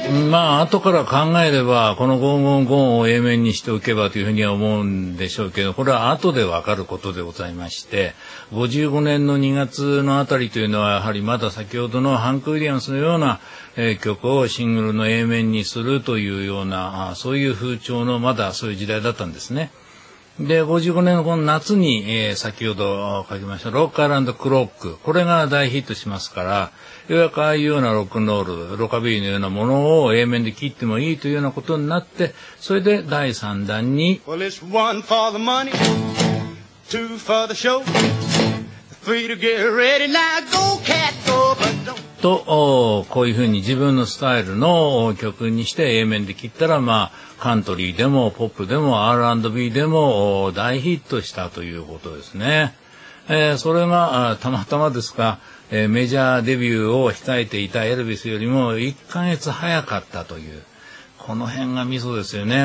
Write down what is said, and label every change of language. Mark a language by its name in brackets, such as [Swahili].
[Japanese] まあ後から考えればこのゴンゴンゴンを A 面にしておけばというふうには思うんでしょうけど、これは後でわかることでございまして、55年の2月のあたりというのはやはりまだ先ほどのハンク・ウィリアムスのような曲をシングルの A 面にするというような、そういう風潮のまだそういう時代だったんですね。で、55年のこの夏に先ほど書きましたロッカー&クロック、これが大ヒットしますから、ようやくああいうようなロックンロール、ロカビリーのようなものを A 面で切ってもいいというようなことになって、それで第3弾に、 [English] Well, it's one for the money, two for the show, three to get ready now, go cat go, but don't... [Japanese] と、こういうふうに自分のスタイルの曲にして A 面で切ったら、まあカントリーでもポップでも R&B でも大ヒットしたということですね。それがたまたまですが、メジャーデビューを控えていたエルヴィスよりも1ヶ月早かったという、この辺がミソですよね。